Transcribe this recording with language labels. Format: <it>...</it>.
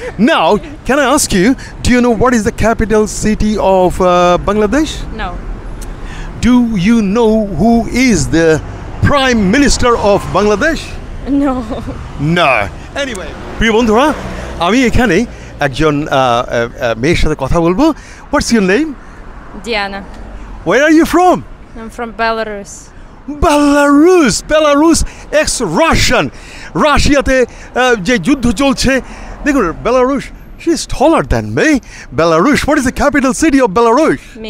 <en>Now, can I ask you, do you know what is the capital city of Bangladesh? No. Do you know who is the Prime Minister of Bangladesh? No. No.</en> <bn>Anyway, প্রিয় বন্ধুরা, আমি এখানে একজন মেয়ের সাথে কথা বলবো.</bn> <en>What's your name? Diana. Where are you from? I'm from Belarus. Belarus, ex-Russian.</en> <bn>রাশিয়াতে যে যুদ্ধ চলছে, দেখুন Belarus,</bn> <en>she is taller than me. Belarus, what is the capital city of Belarus?</en>